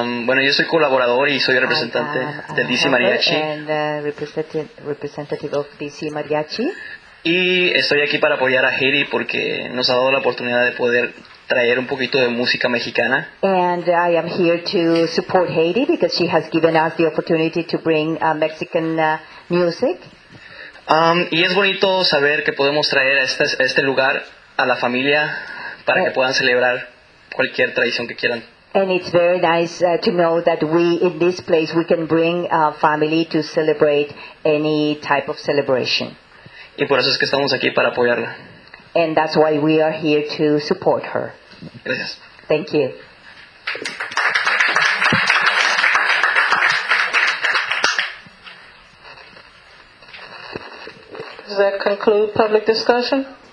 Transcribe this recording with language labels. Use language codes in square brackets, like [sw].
[es] Bueno, yo soy colaborador y soy representante de DC Mariachi. [en] And representative of DC Mariachi. [es] Y estoy aquí para apoyar a Haiti porque nos ha dado la oportunidad de poder traer un poquito de música mexicana. [en] And I am here to support Haiti because she has given us the opportunity to bring Mexican music. [es] Y es bonito saber que podemos traer este lugar a la familia para que puedan celebrar cualquier tradición que quieran. [en] And it's very nice to know that we, in this place, we can bring family to celebrate any type of celebration. [es] Y por eso es que estamos aquí, para apoyarla. [en] And that's why we are here to support her. [es] Gracias. [en] Thank you. Does that conclude public discussion?